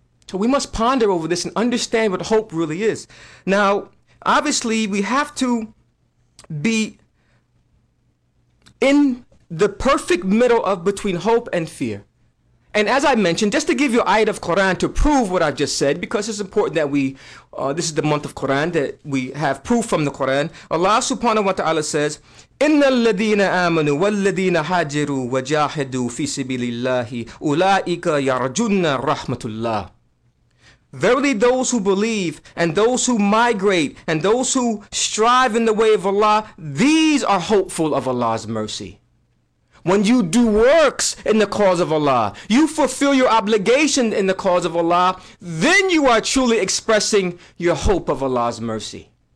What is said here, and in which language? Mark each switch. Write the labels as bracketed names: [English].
[English] So we must ponder over this and understand what hope really is. Now, obviously, we have to be in the perfect middle of between hope and fear. And as I mentioned, just to give you an ayat of Quran to prove what I've just said, because it's important that this is the month of Quran, that we have proof from the Quran. Allah subhanahu wa ta'ala says, [Arabic] إِنَّ الَّذِينَ آمَنُوا وَالَّذِينَ هَاجِرُوا وَجَاهَدُوا فِي سَبِيلِ اللَّهِ أُولَٰئِكَ يَرْجُونَ رَحْمَةُ اللَّهِ. [English] Verily those who believe, and those who migrate, and those who strive in the way of Allah, these are hopeful of Allah's mercy. When you do works in the cause of Allah, you fulfill your obligation in the cause of Allah, then you are truly expressing your hope of Allah's mercy.